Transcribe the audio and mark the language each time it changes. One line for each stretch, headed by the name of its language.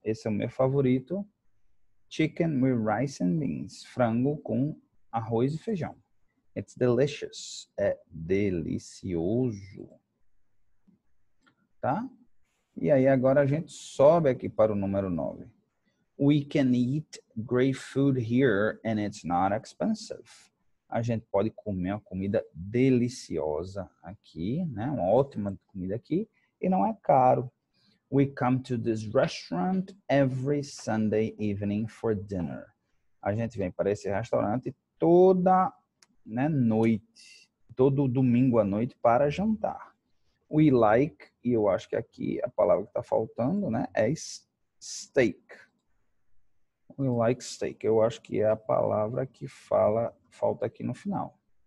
Portuguese: Esse é o meu favorito.
English: Chicken with rice and beans.
Portuguese: Frango com arroz e feijão.
English: It's delicious.
Portuguese: É delicioso. Tá? E aí agora a gente sobe aqui para o número 9.
English: We can eat great food here and it's not expensive.
Portuguese: A gente pode comer uma comida deliciosa aqui, né? Uma ótima comida aqui e não é caro.
English: We come to this restaurant every Sunday evening for dinner.
Portuguese: A gente vem para esse restaurante toda, né, noite, todo domingo à noite para jantar.
English: We like,
Portuguese: e eu acho que aqui a palavra que está faltando, né, é steak.
English: We like steak.
Portuguese: Eu acho que é a palavra que fala, falta aqui no final.